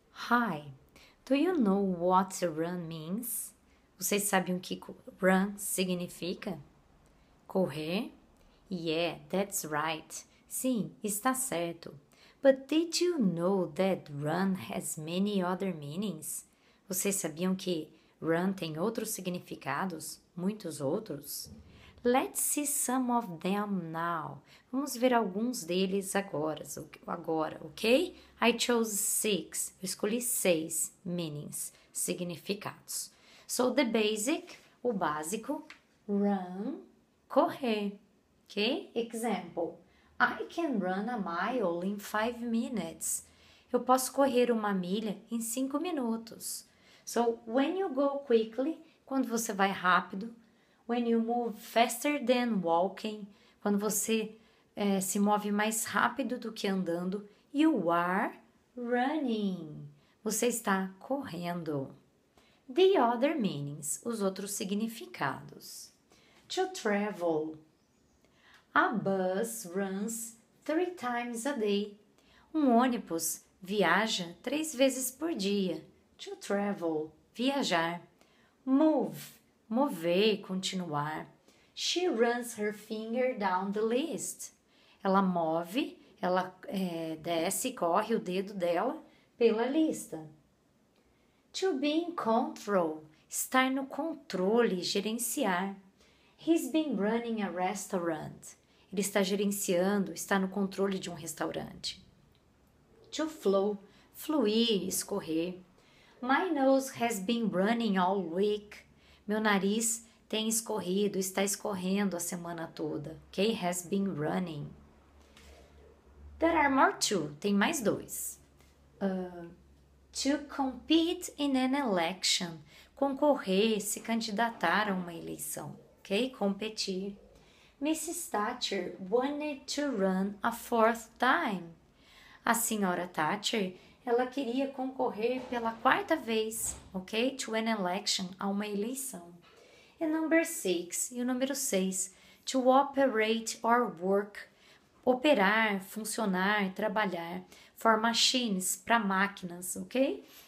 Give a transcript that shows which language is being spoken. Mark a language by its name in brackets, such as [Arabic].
[English] Hi, do you know what run means? [Portuguese] Vocês sabem o que run significa? Correr? [English] Yeah, that's right. [Portuguese] Sim, está certo. [English] But did you know that run has many other meanings? [Portuguese] Vocês sabiam que run tem outros significados? Muitos outros? [English] Let's see some of them now. [Portuguese] Vamos ver alguns deles agora, ok? [English] I chose six. [Portuguese] Eu escolhi seis meanings, significados. [English] So, the basic, o básico, run, correr, ok? Example, I can run a mile in 5 minutes. [Portuguese] Eu posso correr uma milha em 5 minutos. [English] So, when you go quickly, [Portuguese] quando você vai rápido, [English] when you move faster than walking, [Portuguese] quando você se move mais rápido do que andando, [English] you are running. [Portuguese] Você está correndo. [English] The other meanings, [Portuguese] os outros significados. [English] To travel. A bus runs 3 times a day. [Portuguese] Um ônibus viaja 3 vezes por dia. [English] To travel, viajar. Move. [Portuguese] Mover, continuar. [English] She runs her finger down the list. [Portuguese] Ela move, ela desce e corre o dedo dela pela lista. [English] To be in control. [Portuguese] Estar no controle, gerenciar. [English] He's been running a restaurant. [Portuguese] Ele está gerenciando, está no controle de um restaurante. [English] To flow. [Portuguese] Fluir, escorrer. [English] My nose has been running all week. [Portuguese] Meu nariz tem escorrido, está escorrendo a semana toda. [English] Okay? Has been running. There are more two. [Portuguese] Tem mais dois. [English] To compete in an election. [Portuguese] Concorrer, se candidatar a uma eleição. [English] Okay? Competir. Mrs. Thatcher wanted to run a fourth time. [Portuguese] A senhora Thatcher, ela queria concorrer pela quarta vez. Okay? [English] To an election, [Portuguese] a uma eleição. E [English] number six, [Portuguese] e o número 6, [English] to operate or work, [Portuguese] operar, funcionar, trabalhar, [English] for machines, [Portuguese] para máquinas, ok?